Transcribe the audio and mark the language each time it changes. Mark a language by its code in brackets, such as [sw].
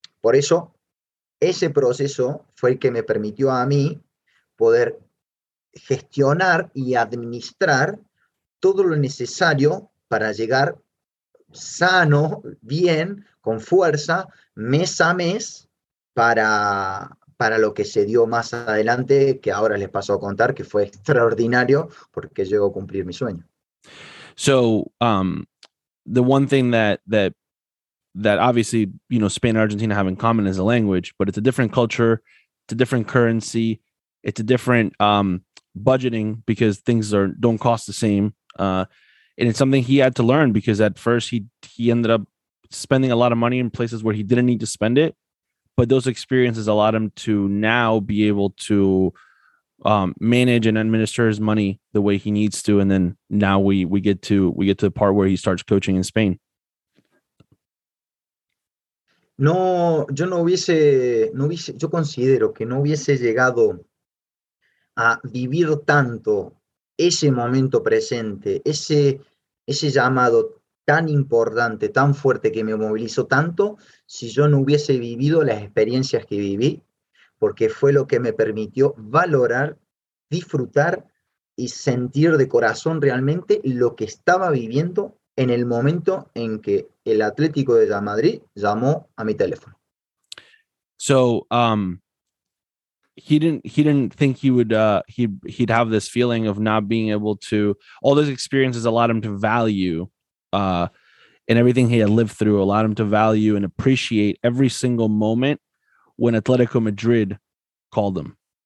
[es] Por eso, ese proceso fue el que me permitió a mí poder gestionar y administrar todo lo necesario para llegar sano, bien, con fuerza, mes a mes, para lo que se dio más adelante, que ahora les paso a contar, que fue extraordinario, porque llegó a cumplir mi sueño. [en] So, the one thing that obviously, you know, Spain and Argentina have in common is a language, but it's a different culture, it's a different currency, it's a different budgeting, because things don't cost the same. And it's something he had to learn, because at first he ended up spending a lot of money in places where he didn't need to spend it. But those experiences allowed him to now be able to manage and administer his money the way he needs to. And then now we get to the part where he starts coaching in Spain. [es] No, yo no hubiese, yo considero que no hubiese llegado a vivir tanto ese momento presente, ese llamado tan importante, tan fuerte que me movilizó tanto, si yo no hubiese vivido las experiencias que viví, porque fue lo que me permitió valorar, disfrutar y sentir de corazón realmente lo que estaba viviendo en el momento en que el Atlético de Madrid llamó a mi teléfono. [en] So, he didn't think he'd have this feeling of not being able to, all those experiences allowed him to value, and everything he had lived through allowed him to value and appreciate every single moment when Atlético Madrid called him.